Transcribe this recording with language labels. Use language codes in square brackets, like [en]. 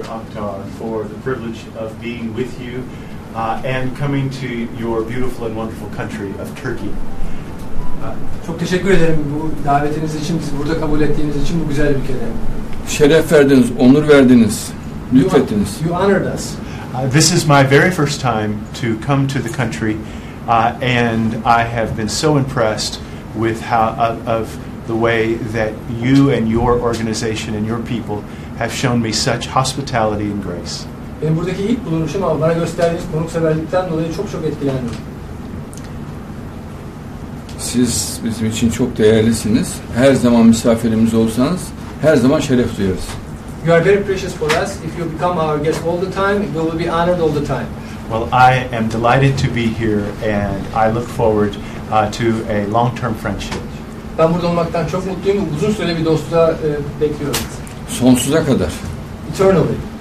[en] Akhtar, for the privilege of being with you and coming to your beautiful and wonderful country of Turkey. [tr] Çok teşekkür ederim bu davetiniz için, bizi burada kabul ettiğiniz için bu güzel ülkede. Şeref verdiniz, onur verdiniz, lütfettiniz. [en] You honored us. This is my very first time to come to the country and I have been so impressed with how of the way that you and your organization and your people have shown me such hospitality and grace. [tr] Ben buradaki ilk bulunuşum ama bana gösterdiğiniz konukseverlikten dolayı çok çok etkilendim. Siz bizim için çok değerlisiniz. Her zaman misafirimiz olsanız her zaman şeref duyarız. [en] You are very precious for us. If you become our guest all the time, we will be honored all the time. Well, I am delighted to be here and I look forward to a long-term friendship. [tr] Ben burada olmaktan çok mutluyum. Uzun süreli bir dostluğa bekliyoruz. Sonsuza kadar. [en] Eternally.